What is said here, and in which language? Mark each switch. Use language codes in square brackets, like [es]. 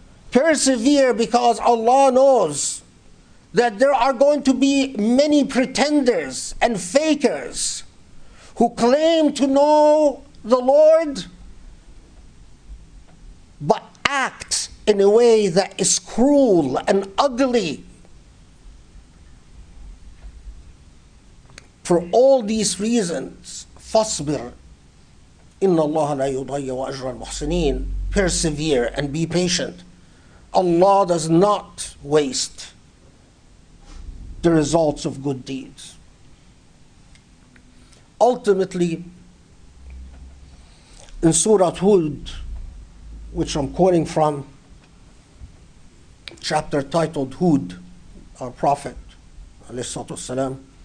[en] Persevere because Allah knows that there are going to be many pretenders and fakers who claim to know the Lord, but act in a way that is cruel and ugly. For all these reasons, [ar] فَاصْبِرْ إِنَّ اللَّهَ لَا يُضَيَّ وَأَجْرَ الْمُحْسِنِينَ. [en] Persevere and be patient. Allah does not waste the results of good deeds. Ultimately, in Surah Hud, which I'm quoting from, chapter titled Hud, our Prophet, alayhi salatu wasalam.